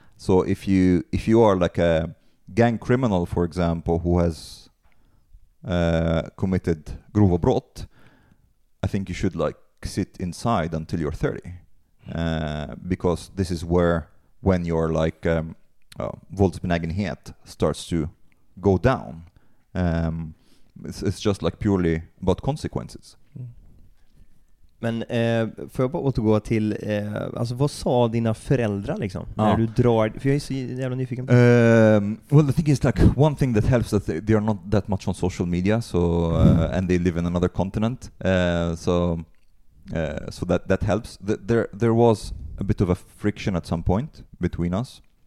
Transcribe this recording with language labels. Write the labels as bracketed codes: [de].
[en] So if you are like a gang criminal, for example, who has committed [sv] grova brott, [en] I think you should like sit inside until you're 30. Because this is where, when you're like, våldsbenägenhet starts to go down. It's just like purely about consequences. [sv] Men får jag bara återgå till alltså, vad sa dina föräldrar liksom, när du drar, för jag är så jävla nyfiken. [en] Well, the thing is like, one thing that helps that they are not that much on social media, so and they live in another continent, so that helps. There was a bit of a friction at some point between us.